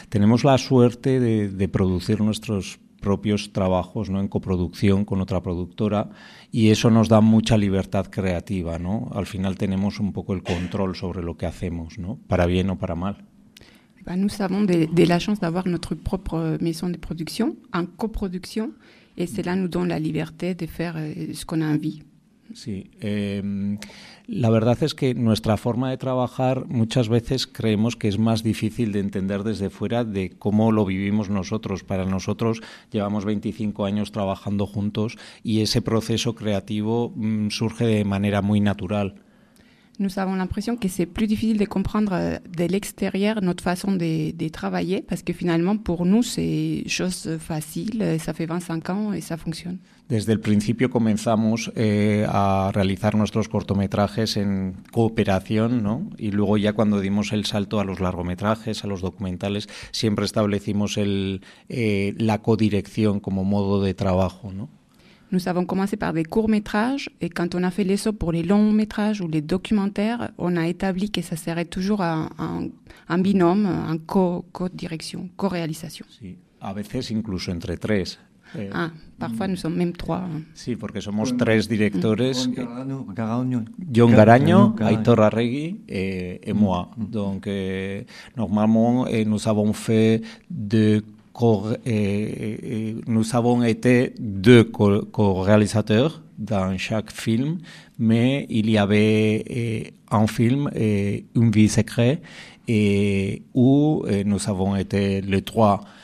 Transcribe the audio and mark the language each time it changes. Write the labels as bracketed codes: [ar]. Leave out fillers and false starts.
[es] Tenemos la suerte de producir nuestros propios trabajos, ¿no?, en coproducción con otra productora, y eso nos da mucha libertad creativa, ¿no? Al final tenemos un poco el control sobre lo que hacemos, ¿no?, para bien o para mal. [fr] Bah, nous avons de la chance d'avoir notre propre maison de production en coproduction, et cela nous donne la liberté de faire ce qu'on a envie. [es] Sí, la verdad es que nuestra forma de trabajar muchas veces creemos que es más difícil de entender desde fuera de cómo lo vivimos nosotros. Para nosotros llevamos 25 años trabajando juntos y ese proceso creativo surge de manera muy natural. [fr] Nous avons l'impression que c'est plus difficile de comprendre de l'extérieur notre façon de travailler, parce que finalement, pour nous, c'est chose facile, ça fait 25 ans et ça fonctionne. [es] Desde el principio comenzamos a realizar nuestros cortometrajes en cooperación, ¿no? Y luego ya cuando dimos el salto a los largometrajes, a los documentales, siempre establecimos la codirección como modo de trabajo, ¿no? [fr] Nous avons commencé par des courts-métrages et quand on a fait les sauts pour les longs-métrages ou les documentaires, on a établi que ça serait toujours un binôme, un co-direction, co-réalisation. [es] Sí. A veces incluso entre tres. [fr] Parfois nous sommes même trois. [es] Sí, porque somos tres directores. [fr] John Garaño, Aitor Arregui et moi. Donc, normalement, nous avons fait nous avons été deux co-réalisateurs dans chaque film, mais il y avait un film, Une vie secrète, où nous avons été les trois.